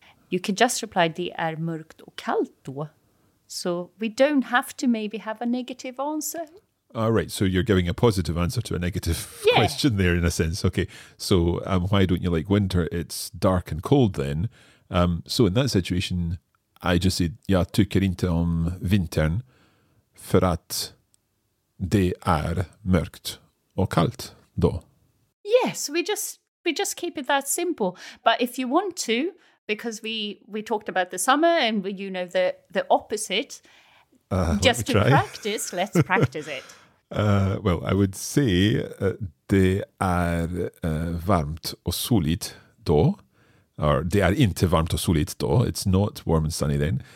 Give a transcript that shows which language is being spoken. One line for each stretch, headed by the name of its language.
English: You could just reply,
Swedish: det är mörkt och kallt då.
English: So we don't have to maybe have a negative answer. All right, so you're giving a positive answer to a negative question there, in a sense. Okay, so why don't you like winter? It's dark and cold then. So in that situation, I just said,
Swedish: jag tycker inte om vintern för att det är mörkt och kallt då.
English: Yes, we just keep it that simple. But if you want to, because we talked about the summer and you know the opposite, just to practice, let's practice it. Well, I would say
Swedish: det är varmt och soligt då. Or det är inte varmt och soligt då.
English: It's not warm and sunny then.